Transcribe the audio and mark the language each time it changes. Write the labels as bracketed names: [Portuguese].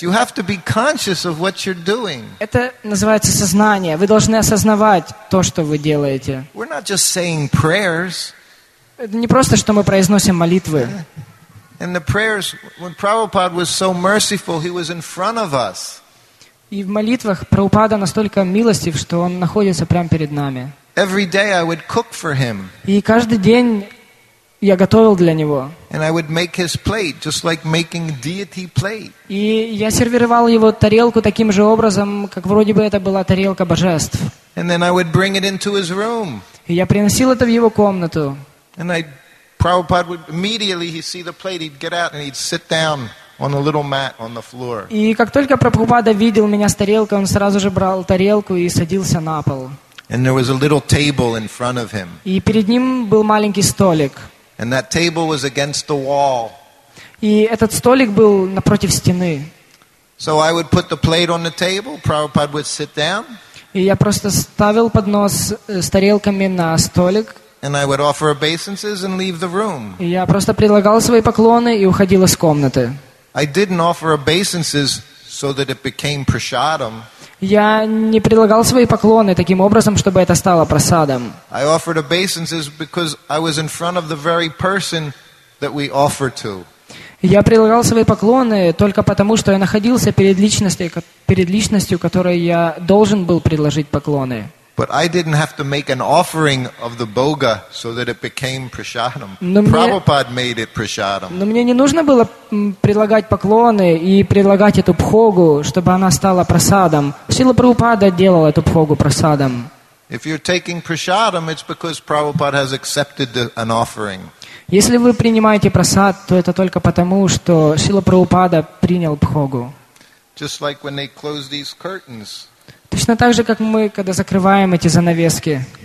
[English] You have to be conscious of what you're doing. [Russian] Это называется сознание. Вы должны осознавать то, что вы делаете. [English] We're not just saying prayers. [Russian] Это не просто, что мы произносим молитвы. [English] And the prayers, when Prabhupada was so merciful, he was in front of us. [Russian] И в молитвах Прабхупада настолько милостив, что он находится прямо перед нами. [English] Every day I would cook for him. [Russian] И каждый день я готовил для него. [English] And I would make his plate, just like making deity plate. [Russian] И я сервировал его тарелку таким же образом, как вроде бы это была тарелка божеств. [English] And then I would bring it into his room. [Russian] И я приносил это в его комнату. [English] And I, Prabhupada would immediately he'd see the plate, he'd get out and he'd sit down on a little mat on the floor. [Russian] И как только Прабхупада видел меня с тарелкой, он сразу же брал тарелку и садился на пол. [English] And there was a little table in front of him. [Russian] И перед ним был маленький столик. [English] And that table was against the wall. [Russian] И этот столик был напротив стены. [English] So I would put the plate on the table, Prabhupada would sit down. [Russian] И я просто ставил поднос с тарелками на столик. [English] And I would offer obeisances and leave the room. [Russian] Я просто предлагал свои поклоны и уходил из комнаты. [English] I didn't offer obeisances so that it became prasadam. [Russian] Я не предлагал свои поклоны таким образом, чтобы это стало прасадом. [English] I offered obeisances because I was in front of the very person that we offer to. [Russian] Я предлагал свои поклоны только потому, что я находился перед личностью, которой я должен был предложить поклоны. [English] But I didn't have to make an offering of the boga so that it became prasadam. Prabhupada made it prasadam. [Russian] Но мне не нужно было предлагать поклоны и предлагать эту бхогу, чтобы она стала прасадом. Шрила Прабхупада делал эту бхогу прасадом. [English] If you're taking prasadam, it's because Prabhupada has accepted an offering. [Russian] Если вы принимаете прасад, то это только потому, что Шрила Прабхупада принял бхогу. [English] Just like when they close these curtains. [Russian] Точно так же, как мы, когда закрываем эти занавески.